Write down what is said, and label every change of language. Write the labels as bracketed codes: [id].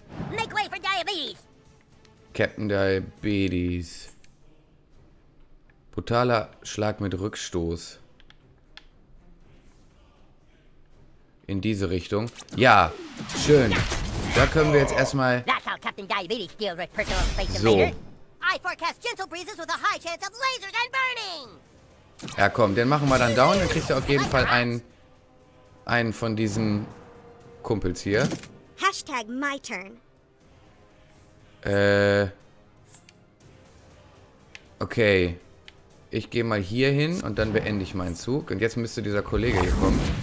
[en] Make way for Diabetes. Captain Diabetes. [de] Brutaler Schlag mit Rückstoß. In diese Richtung. Ja, schön. Da können wir jetzt erstmal... [en] That's how Captain Diabetes deals with personal space so. I forecast gentle breezes with a high chance of lasers and burning. [de] Ja komm, den machen wir dann down. Dann kriegst du auf jeden Fall einen von diesen Kumpels hier. [en] Hashtag my turn. Okay. [de] Ich gehe mal hier hin und dann beende ich meinen Zug. Und jetzt müsste dieser Kollege hier kommen.